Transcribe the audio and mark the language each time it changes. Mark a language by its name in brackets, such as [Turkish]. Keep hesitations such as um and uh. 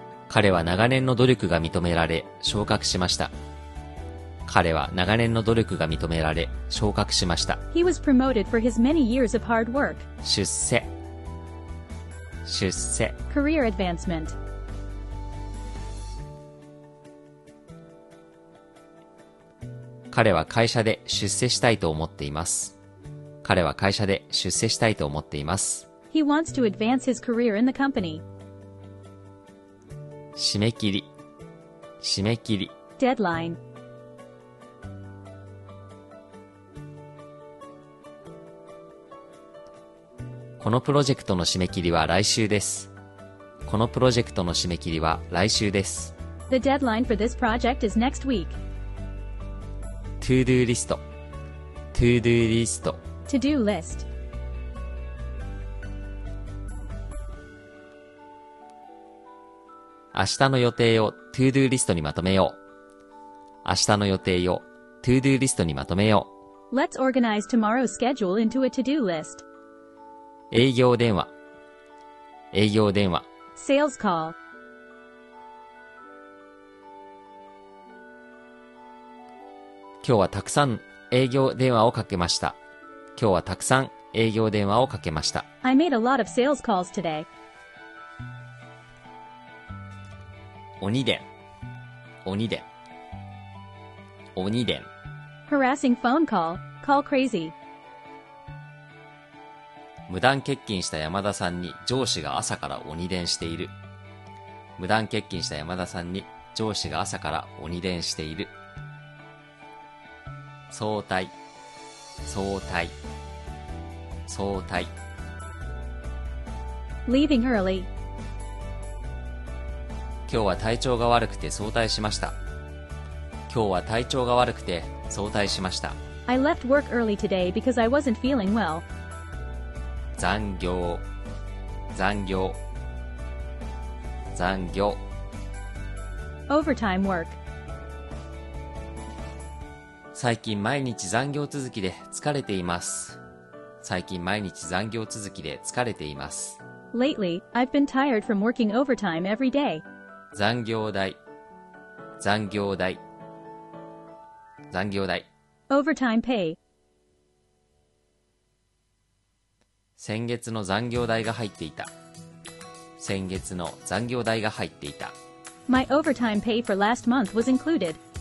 [Japanese] 彼は長年の努力が認められ、昇格しました。彼は長年の努力が認められ、昇格しました。 [English] He was promoted for his many years of hard work. [Japanese] 出世。出世。 [English] Career advancement. [Japanese] 彼は会社で出世したいと思っています。彼は会社で出世したいと思っています。 [English] He wants to advance his career in the company. [Japanese] 締め切り締め切り deadline〈 このプロジェクトの締め切りは来週です〉このプロジェクトの締め切りは来週です。 [English] The deadline for this project is next week.To do list.To do list.To do list. To do list. [Japanese] 明日の予定を to do リストにまとめよう。明日の予定を to do リストにまとめよう。 [English] Let's organize tomorrow's schedule into a to do list. [Japanese] 営業電話営業電話 [English] Sales call. [Japanese] 今日はたくさん営業電話をかけました。今日はたくさん営業電話をかけました。 [English] I made a lot of sales calls today. [Japanese] 鬼伝。鬼伝。鬼伝。 [English] harassing phone call, call crazy. [Japanese] 無断欠勤した山田さんに上司が朝から鬼伝している。無断欠勤した山田さんに上司が朝から鬼伝している。早退。早退。早退。 [English] leaving early, [Japanese] 今日は体調が悪くて早退しました。今日は体調が悪くて早退しました。 [English] I left work early today because I wasn't feeling well. [Japanese] 残業残業残業 [English] Overtime work [Japanese] 最近毎日残業続きで疲れています。最近毎日残業続きで疲れています。 [English] Lately, I've been tired from working overtime every day. [Japanese] 残業代残業代残業代 [English] overtime pay [Japanese] 先月の残業代が入っていた先月の残業代が入っていた [English] My overtime pay for last month was included